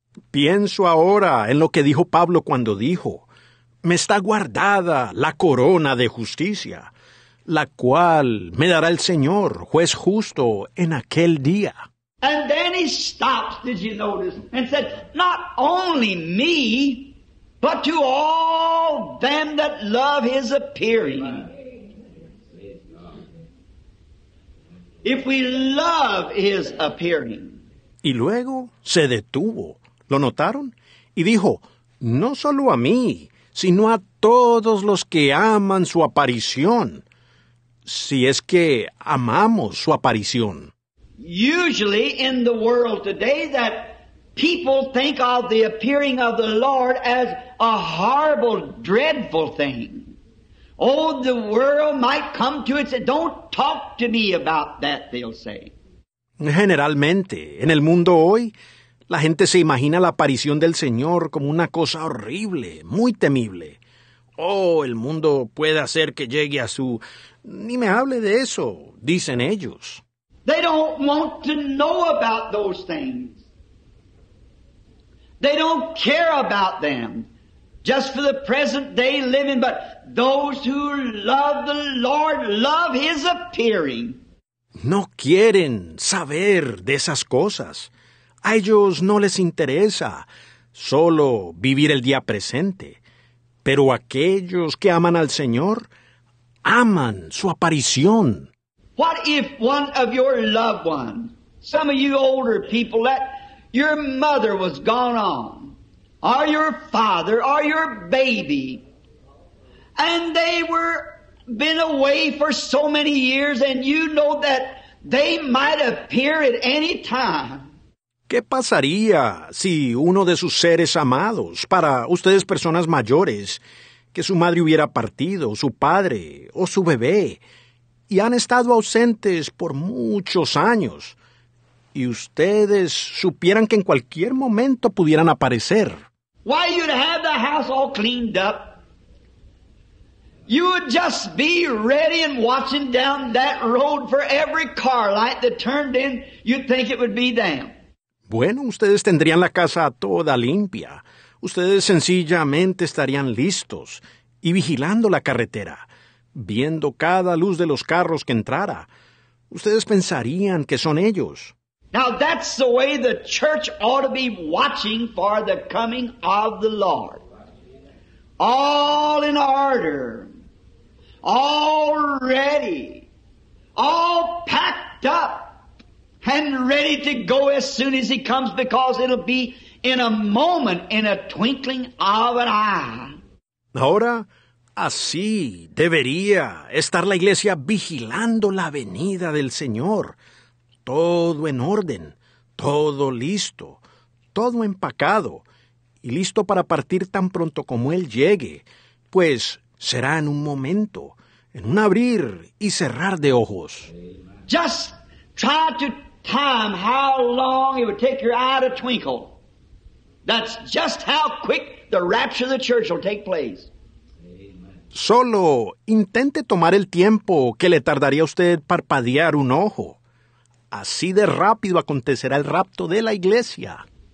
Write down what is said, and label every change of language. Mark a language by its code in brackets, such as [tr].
[es] Pienso ahora en lo que dijo Pablo cuando dijo, "Me está guardada la corona de justicia, la cual me dará el Señor, juez justo, en aquel día." [en] And then he stops, did you notice, and said, "Not only me, but to all them that love his appearing." If we love his appearing. [es] Y luego se detuvo. ¿Lo notaron? Y dijo, no solo a mí, sino a todos los que aman su aparición. Si es que amamos su aparición. [en] Usually in the world today that people think of the appearing of the Lord as a horrible, dreadful thing. Oh, the world might come to it and say, "Don't talk to me about that," they'll say. [es] Generalmente, en el mundo hoy, la gente se imagina la aparición del Señor como una cosa horrible, muy temible. Oh, el mundo puede hacer que llegue a su... Ni me hable de eso, dicen ellos. [en] They don't want to know about those things. They don't care about them. Just for the present day living, but those who love the Lord love his appearing. [es] No quieren saber de esas cosas. A ellos no les interesa solo vivir el día presente. Pero aquellos que aman al Señor, aman su aparición. [en] What if one of your loved ones, some of you older people, that your mother was gone on, or your father, or your baby, and they were been away for so many years, and you know that they might appear at any time? [es] ¿Qué pasaría si uno de sus seres amados, para ustedes personas mayores, que su madre hubiera partido, su padre o su bebé, y han estado ausentes por muchos años, y ustedes supieran que en cualquier momento pudieran aparecer? [en] Why, you'd have the house all cleaned up. You would just be ready and watching down that road for every car light that turned in, you'd think it would be them. [es] Bueno, ustedes tendrían la casa toda limpia. Ustedes sencillamente estarían listos y vigilando la carretera, viendo cada luz de los carros que entrara. Ustedes pensarían que son ellos. [en] Now that's the way the church ought to be watching for the coming of the Lord. All in order. All ready. All packed up. And ready to go as soon as he comes, because it'll be in a moment, in a twinkling of an eye. [es] Ahora, así debería estar la iglesia vigilando la venida del Señor. Todo en orden, todo listo, todo empacado, y listo para partir tan pronto como él llegue, pues será en un momento, en un abrir y cerrar de ojos. [en] Just try to time how long it would take your eye to twinkle. That's just how quick the rapture of the church will take place. [es] Solo intente tomar el tiempo que le tardaría a usted parpadear un ojo. Así de rápido acontecerá el rapto de la iglesia.